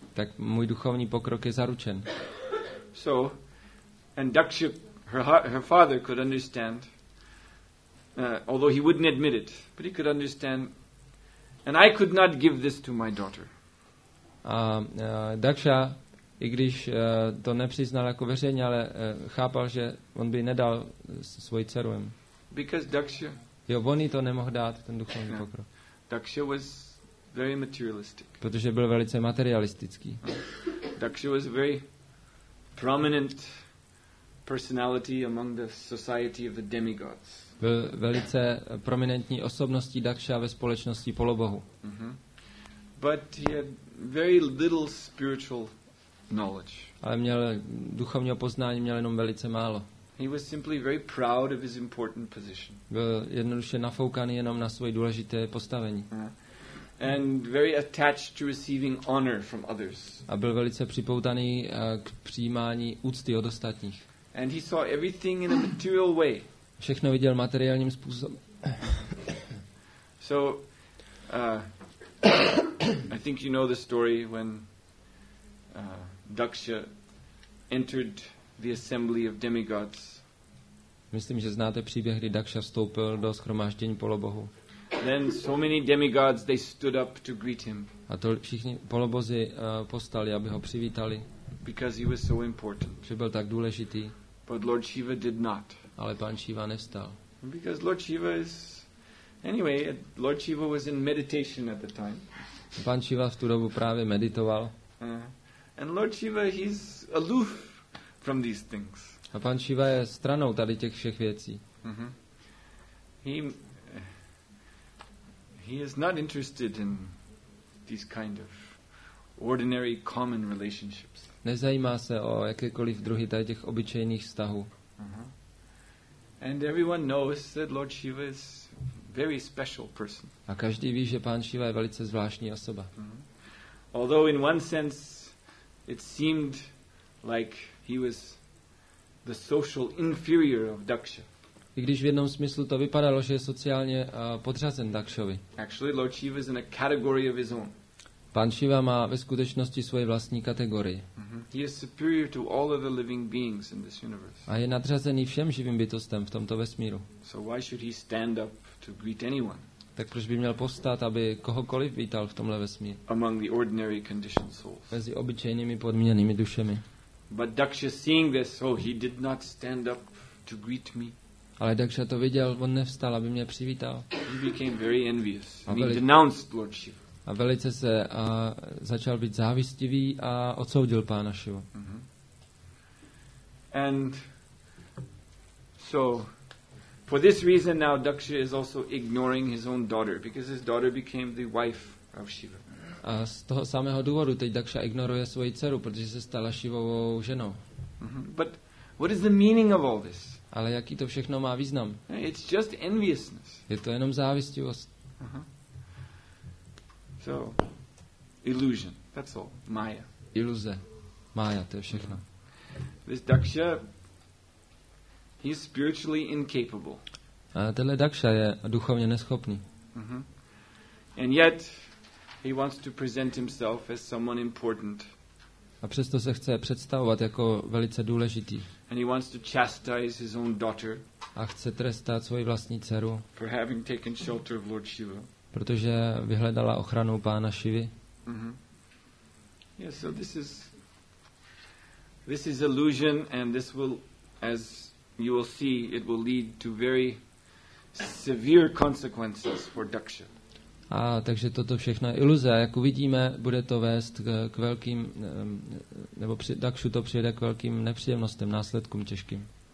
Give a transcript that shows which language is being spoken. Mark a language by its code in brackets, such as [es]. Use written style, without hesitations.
[cs] Tak můj duchovní pokrok je zaručen. [en] So, and Daksha, her father could understand. Although he wouldn't admit it, but he could understand, and I could not give this to my daughter. [cs] Daksha, i když to nepřiznal jako veřejně, ale chápal, že on by nedal svoji dceru. [en] Because Daksha. [cs] Jo, on jí to nemohl dát, ten duchovní pokrok. [en] Daksha was very materialistic. [cs] Protože byl velice materialistický. [en] Daksha was a very prominent personality among the society of the demigods. [cs] Byl velice prominentní osobností Daksha ve společnosti polobohu. [en] But he had very little spiritual knowledge. [cs] Ale měl duchovního poznání měl jenom velice málo. [en] He was simply very proud of his important position. [cs] Byl jednoduše nafoukaný jenom na svoje důležité postavení. [en] And very attached to receiving honor from others. [cs] A byl velice připoutaný k přijímání úcty od ostatních. [en] And he saw everything in a material way. [cs] Všechno viděl materiálním způsobem. [en] So I think you know the story when Daksha entered the assembly of demigods. [cs] Myslím, že znáte příběh, kdy Daksha vstoupil do shromáždění polobohů. [en] Then so many demigods they stood up to greet him. [cs] A to všichni polobozy postali, aby ho přivítali. [en] Because he was so important. [cs] Že byl tak důležitý. [en] But Lord Shiva did not. [cs] Ale pan Shiva nevstal. [en] Because Lord Shiva is anyway, Lord Shiva was in meditation at the time. [cs] Pan Shiva v tu dobu právě meditoval. [en] And Lord Shiva he's aloof from these things. [cs] A pan Shiva je stranou tady těch všech věcí. [en] He is not interested in these kind of ordinary common relationships. [cs] Nezajímá se o jakékoliv druhy tady těch obyčejných vztahů. [en] And everyone knows that Lord Shiva is very special person. [cs] A každý ví, že pán Shiva je velice zvláštní osoba. [en] Although in one sense it seemed like he was the social inferior of Daksha. [cs] I když v jednom smyslu to vypadalo, že je sociálně podřazen Dakšovi. [en] Actually Lord Shiva is in a category of his own. [cs] Pán Shiva má ve skutečnosti svoji vlastní kategorii. [en] He is superior to all of the living beings in this universe. [cs] A je nadřazený všem živým bytostem v tomto vesmíru. [en] So why should he stand up to greet anyone? [cs] Tak proč by měl postát, aby kohokoliv vítal v tomhle vesmíru? [en] Among the ordinary conditioned souls. [cs] Mezi obyčejnými podmíněnými dušemi. [en] But Daksha seeing this, so he did not stand up to greet me. [cs] Ale Daksha to viděl, on nevstal, aby mě přivítal. [en] He became very envious. He denounced Lord Shiva. [cs] A velice se začal být závistivý a odsoudil pána Shivu. [en] And so for this reason now Daksha is also ignoring his own daughter because his daughter became the wife of Shiva. [cs] A z toho samého důvodu teď Daksha ignoruje svoji dceru, protože se stala Shivovou ženou. [en] But what is the meaning of all this? [cs] Ale jaký to všechno má význam? [en] It's just enviousness. [cs] Je to jenom závistivost. [en] So, illusion. That's all. Maya. [cs] Iluze. Maya, to je všechno. [en] This Daksha, he's spiritually incapable. [cs] A tenhle Daksha je duchovně neschopný. [en] And yet, he wants to present himself as someone important. [cs] A přesto se chce představovat jako velice důležitý. [en] And he wants to chastise his own daughter. [cs] A chce trestat svoji vlastní dceru. [en] For having taken shelter of Lord Shiva. [cs] Protože vyhledala ochranu pána Šivy. [en] Yes, so this is illusion, and this will, as you will see, it will lead to very severe consequences for Daksha. [cs] A takže toto všechno je iluze. Jak uvidíme, bude to vést k velkým, nebo Dakšu to přijede k velkým nepříjemnostem, následkům těžkým.